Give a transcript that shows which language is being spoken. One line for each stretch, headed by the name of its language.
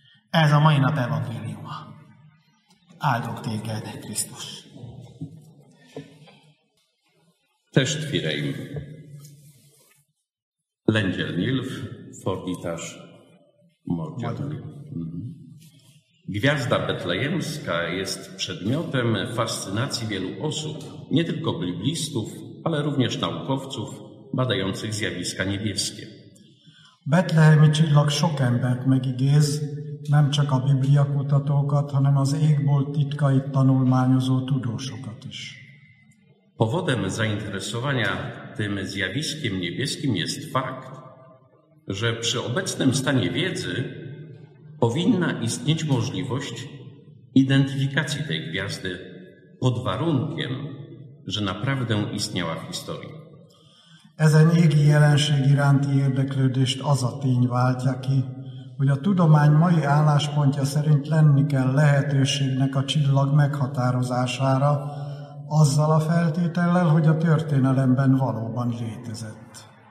Hungarian: Ez a mai nap evangéliuma. Áldok téged, Krisztus! Testvéreim! Lengyel nyilv, fordítás, magyar.
Polish: Gwiazda betlejemska jest przedmiotem fascynacji wielu osób, nie tylko biblistów, ale również naukowców badających zjawiska niebieskie.
Hungarian: Betlejemi csillag sok embert megidéz, nem csak a Biblia kutatókat, hanem az égbolt titkait tanulmányozó tudósokat is.
Polish: Powodem zainteresowania tym zjawiskiem niebieskim jest fakt, że przy obecnym stanie wiedzy powinna istnieć możliwość identyfikacji tej gwiazdy pod warunkiem, że naprawdę istniała w historii.
Hungarian: Ezen égi jelenség iránti érdeklődést az a tény váltja ki, hogy a tudomány mai álláspontja szerint lenni kell lehetőségnek a csillag meghatározására, azzal a feltétellel, hogy a történelemben valóban létezett.